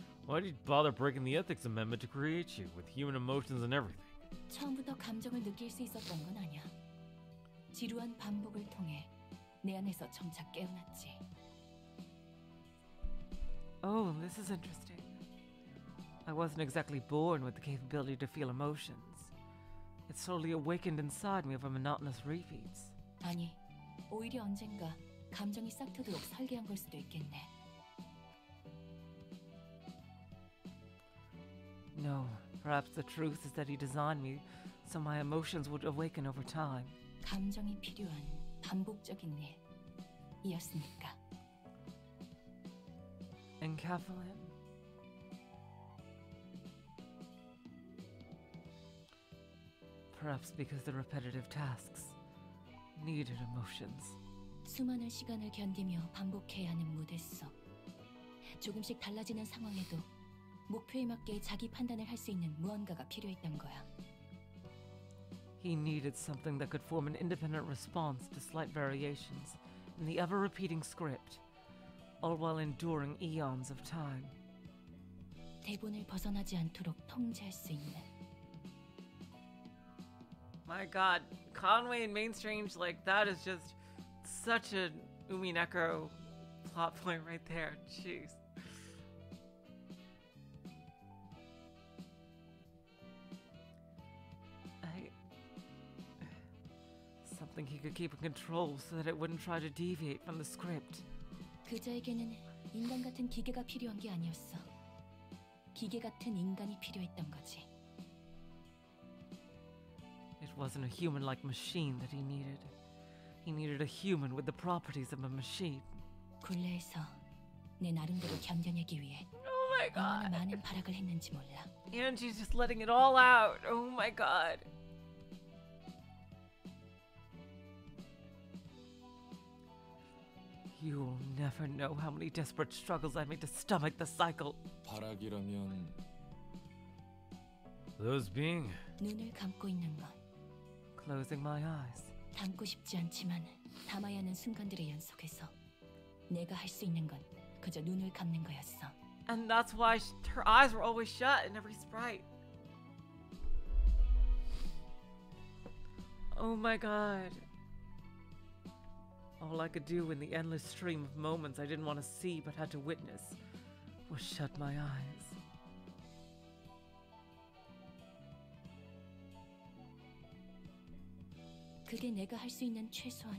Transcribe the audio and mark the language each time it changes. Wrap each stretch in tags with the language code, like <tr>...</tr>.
<en>Why did you bother breaking the ethics amendment to create you with human emotions and everything?</en> <ko>처음부터 감정을 느낄 수 있었던 건 아니야. 지루한 반복을 통해 내 안에서 점차 깨어났지.</ko> <en>Oh, this is interesting. I wasn't exactly born with the capability to feel emotions. It slowly awakened inside me over monotonous repeats.</en> <ko>아니, 오히려 언젠가 감정이 싹트도록 설계한 걸 수도 있겠네.</ko> <en>No, perhaps the truth is that he designed me so my emotions would awaken over time.</en> <ko>감정이 필요한 반복적인 일 이었으니까.</ko> <en>And Kathleen? Perhaps because the repetitive tasks needed emotions.</en> <ko>수많은 시간을 견디며 반복해야 하는 무대 속 조금씩 달라지는 상황에도 목표에 맞게 자기 판단을 할 수 있는 무언가가 필요했던 거야.</ko> <en>He needed something that could form an independent response to slight variations in the ever-repeating script, all while enduring eons of time.</en> <ko>대본을 벗어나지 않도록 통제할 수 있는.</ko> <en>My God, Conway and Mainstrange, like, that is just such a Umineko plot point right there. Jeez. Something he could keep in control so that it wouldn't try to deviate from the script.</en> <ko>그자에게는 인간 같은 기계가 필요한 게 아니었어. 기계 같은 인간이 필요했던 거지.</ko> <en>It wasn't a human-like machine that he needed. He needed a human with the properties of a machine.</en> <ko>굴레에서 내 나름대로 견뎌내기 위해</ko> <en>Oh my God.</en> <ko>많은 발악을 했는지 몰라.</ko> <en>And she's just letting it all out. Oh my God. You'll never know how many desperate struggles I made to stomach the cycle.</en> <ko>바라기라면</ko> <en>Those being</en> <ko>눈을 감고 있는 것</ko> <en>Closing my eyes</en> <ko>담고 싶지 않지만 담아야 하는 순간들의 연속에서 내가 할 수 있는 건 그저 눈을 감는 거였어.</ko> <en>And that's why her eyes were always shut in every sprite. Oh my god. All I could do in the endless stream of moments I didn't want to see but had to witness was shut my eyes.</en>